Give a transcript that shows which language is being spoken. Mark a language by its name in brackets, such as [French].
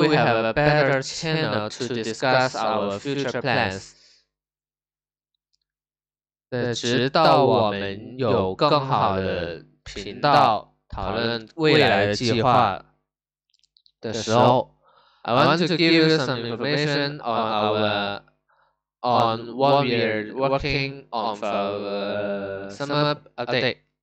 [English] we have a better channel to discuss our future plans, [Chinese] 直到我们有更好的频道 讨论未来的计划的时候, [English] I want to give you some information on what we are working on for summer update.